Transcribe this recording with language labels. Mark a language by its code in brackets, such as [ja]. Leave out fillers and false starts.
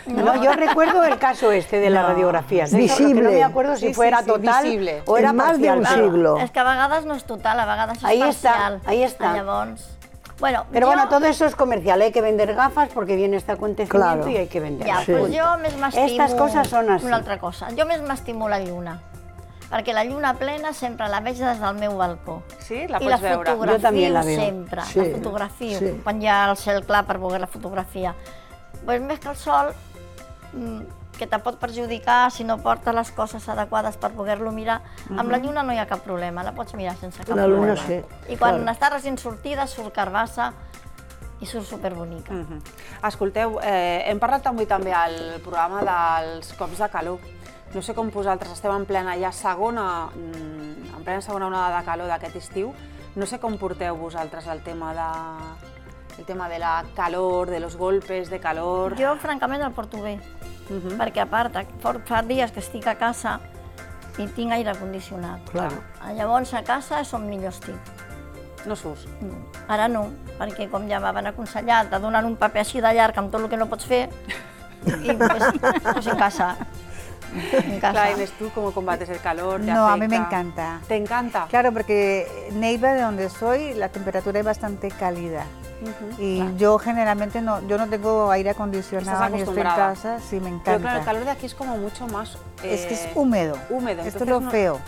[es] No, yo recuerdo el caso este de la radiografía. ¿Sí? Visible. No me acuerdo si sí, fuera sí, sí, total visible. O era más de un siglo. [ca] Es que a vegades no es total, a vegades es [es] ahí parcial. Ahí está, ahí está. Bueno, pero yo... Bueno, todo eso es comercial, hay que vender gafas porque viene este acontecimiento claro. Y hay que vender. Ya, sí. Pues yo me estimulo... Estas cosas son así. [ca] Una altra cosa, jo més m'estimo la lluna, perquè la lluna plena sempre la veig des del meu balcó. Sí, la pots la veure. I la fotografio jo també la veu. Sempre, sí. La fotografio, sí. Quan hi ha el cel clar per veure la fotografia. Pues més que el sol, que te pot perjudicar si no portes les coses adequades per poder-lo mirar, mm-hmm. Amb la lluna no hi ha cap problema, la pots mirar sense cap la lluna, problema. Sí. I quan clar. Està recent sortida surt carbassa i surt superbonica. Mm-hmm. Escolteu, hem parlat avui també al programa dels cops de calor. No sé com vosaltres estem en plena ja segona, en plena segona onada de calor d'aquest estiu, no sé com porteu vosaltres el tema de... [es] El tema de la calor, de los golpes de calor... [ca] Jo, francament, el porto bé, uh-huh. Perquè a part, fa dies que estic a casa i tinc aire condicionat. [es] Claro. [ca] Llavors, a casa és on millor estic. No surts? No. Ara no, perquè com ja m'han aconsellat de donar un paper així de llarg amb tot el que no pots fer, i pues, a casa. Clar, Inés, tu com combates el calor? No, afecta. A mi m'encanta. T'encanta? [es] Claro, perquè Neiva, de donde soy, la temperatura es bastante cálida. Uh-huh, y claro. Yo generalmente no tengo aire acondicionado ni estoy en casa, sí, me encanta. Pero claro, el calor de aquí es como mucho más... Es que es húmedo. Húmedo. Esto es lo feo.